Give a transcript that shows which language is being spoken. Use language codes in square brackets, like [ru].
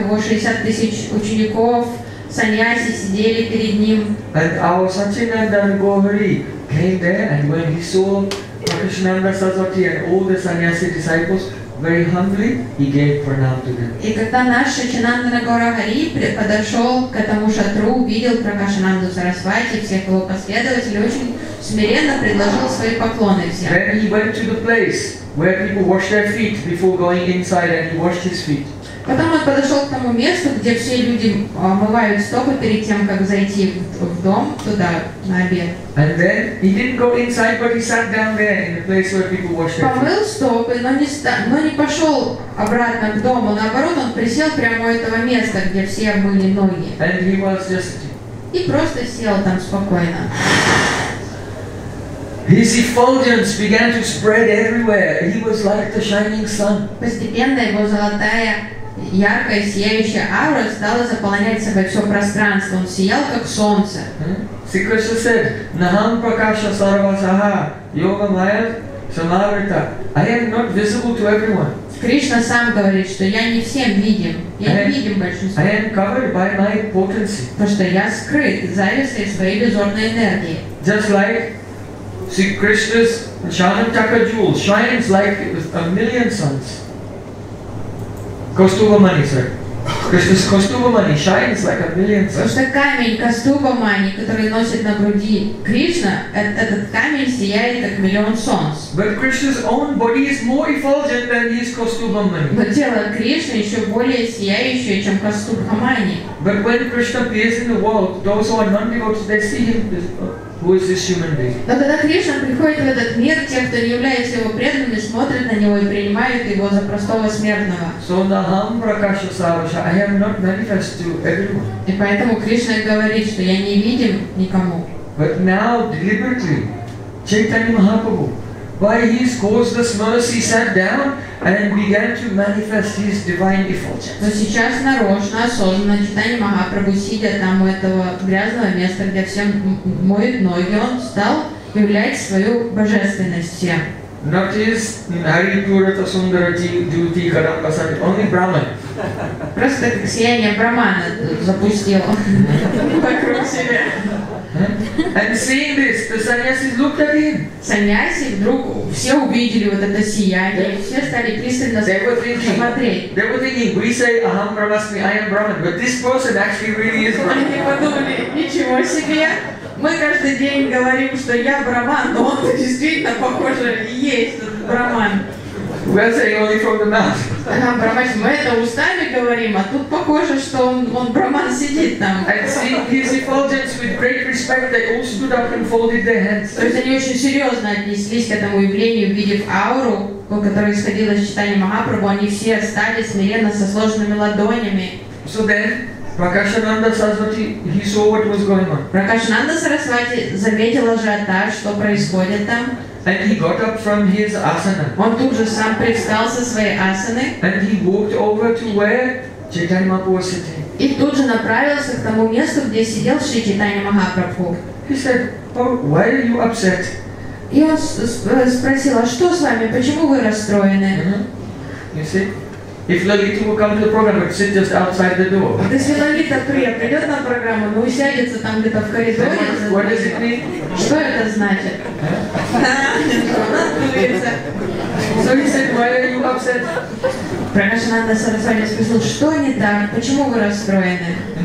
[ru] Его 60 тысяч учеников сannyasi сидели перед ним. [en] And our Sachinanda Gohari came there, and when he saw Pracashananda Sarasvati and all the sannyasi disciples. Very humbly, he gave pranam to them. [ru] И когда наш Шачинанда Нагора Хари подошел к этому шатру, увидел Пракашананду Сарасвати, всех его последователей, очень смиренно предложил свои поклоны всем. [en] Then he went to the place where people wash their feet before going inside, and he washed his feet. [ru] Потом он подошел к тому месту, где все люди омывают стопы перед тем, как зайти в дом туда на обед. [en] And then he didn't go inside, but he sat down there in the place where people wash their feet. [ru] Помыл стопы, но не пошел обратно к дому. Наоборот, он присел прямо у этого места, где все мыли ноги. [en] And he was just. [ru] И просто сел там спокойно. [en] His effulgence began to spread everywhere. He was like the shining sun. [ru] Постепенно его золотая яркая сияющая аура стала заполнять собой все пространство. Он сиял как солнце. [en] Sri Krishna said, [sa] "Naham prakasha sarvasaha yoga maya samavrita." [en] I am not visible to everyone. [ru] Кришна сам говорит, что я не всем видим, я не видим большинство. [en] I am covered by my potency. [ru] Потому что я скрыт завесой своей иллюзорной энергии. [en] Just like Sri Krishna's Shanantaka jewel shines like a million suns. Kastubamani, sir. Krishna's Kastubamani shines like a million suns. [ru] Потому что камень Кастубамани, который носит на груди Кришна, этот камень сияет как миллион солнц. [en] But Krishna's own body is more effulgent than his Kastubamani. [ru] Но тело Кришны еще более сияющее, чем Кастубамани. [en] But when Krishna appears in the world, those who are non-devotees, they see him. Who is this human being? [ru] Но когда Кришна приходит в этот мир, те, кто не является его преданными, смотрят на него и принимают его за простого смертного. [en] So [sa] naham prakasha sarvasha, [en] I am not manifest to everyone. [ru] И поэтому Кришна говорит, что я не видим никому. [en] But now deliberately, Chaitanya Mahaprabhu, by his causeless mercy, sat down and began to manifest his divine effulgence. [ru] Но сейчас нарочно, осознанно Чайтанья Махапрабху, сидя там у этого грязного места, где всем моют ноги, он стал являть свою божественность. [en] Not his [sa] Hari Purata Sundarati Duti Kadamba Sati, [en] only Brahman. [ru] Просто сияние Брахмана запустило вокруг себя. [en] And seeing this, the sannyasis looked at him. [ru] Sannyasi вдруг все увидели вот это сияние, все стали пристально смотреть. [en] They were thinking, we say [sa] aham brahmasmi, [en] I am Brahman, but this person actually really is Brahman. [ru] Они подумали, ничего себе, мы каждый день говорим, что я Брахман, но он действительно похоже есть Брахман. [en] We are saying only from the mouth. [sa] Aham brahmasmi, [ru] мы это устами говорим, а тут похоже, что он Брахман сидит там. [en] And seeing his effulgence with great respect, they all stood up and folded their hands. [ru] То есть они очень серьезно отнеслись к этому явлению, увидев ауру, которая исходила из читания Махапрабху, они все стали смиренно со сложенными ладонями. [en] So then, Prakashananda Sarasvati, he saw what was going on. [ru] Prakashananda Sarasvati заметил ажиотаж, что происходит там. [en] And he got up from his asana. [ru] Он тут же сам привстал со своей асаны. [en] And he walked over to where Chaitanya Mahaprabhu was sitting. [ru] И тут же направился к тому месту, где сидел Шри Чайтанья Махапрабху. [en] He said, "Oh, why are you upset?" [ru] И он спросил, а что с вами, почему вы расстроены? [en] You see, if Lalita will come to the program, it sit just outside the door. [ru] Если Лолита придет на программу, но усядется там где-то в коридоре. [en] What does it mean? [ru] Что это значит? [en] So he said, "Why are you upset?" [ru] Прокашананда Сарасвати спросил, что не так, почему вы расстроены?